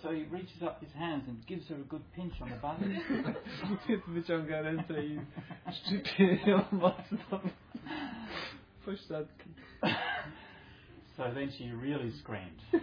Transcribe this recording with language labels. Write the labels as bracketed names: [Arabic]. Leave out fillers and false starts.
[English] So he reaches up his hands and gives her a good pinch on the butt. [Polish] Wyciąga ręce i szczypie ją mocno. Pośladki. [English] So then she really screamed.